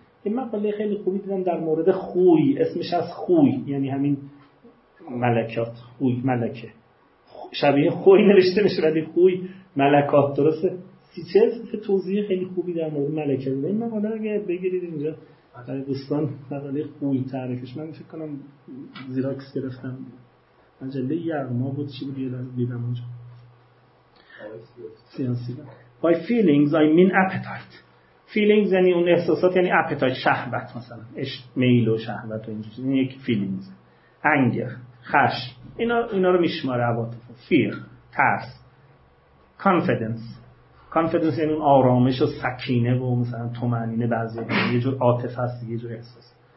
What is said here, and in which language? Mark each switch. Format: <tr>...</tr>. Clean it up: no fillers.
<fa>این مقاله خیلی خوبی دیدم در مورد خوی، اسمش از خوی، یعنی همین ملکات، خوی ملکه، شبیه خوی نوشته میشه ولی خوی ملکات، درسته؟ سیچز که توضیح خیلی خوبی در مورد ملکه میده. این مقاله اگه بگیرید اینجا برای دوستان، مقاله خوی تعریفش، من فکر کنم زیراکس گرفتم، مجله یغما بود چی بود دیدم اونجا. سیاسی با</fa> <en>by feelings I mean appetite.</en> <fa>فیلینگز یعنی اون احساسات، یعنی اپتایت، شهوت، مثلا میل و شهوت و اینجور، این یک فیلینگز. انگر، خش، اینا رو میشماره عواطف. فیر، ترس. کانفیدنس، کانفیدنس یعنی اون آرامش و سکینه و مثلا طمأنینه، بعضی یه جور عاطفه است، یه جور احساس.</fa>